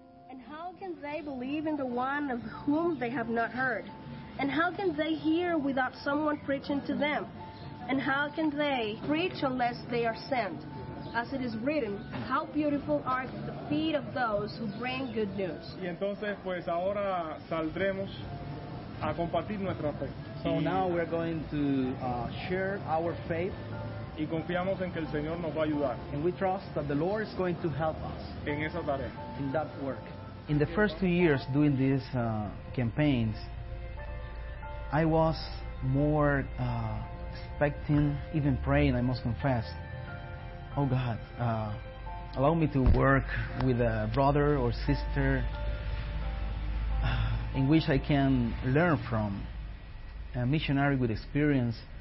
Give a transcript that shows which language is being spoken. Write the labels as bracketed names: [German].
[English] And how can they believe in the one of whom they have not heard? And how can they hear without someone preaching to them? And how can they preach unless they are sent? As it is written, how beautiful are the feet of those who bring good news. [Spanish] Y entonces, pues ahora saldremos a compartir nuestra fe. [English] So now we're going to share our faith. [Spanish] Y confiamos en que el Señor nos va a ayudar. [English] And we trust that the Lord is going to help us [Spanish] en esa tarea. [English] In that work. In the first 2 years doing these campaigns, I was more expecting, even praying, I must confess, oh God, allow me to work with a brother or sister in which I can learn from, a missionary with experience.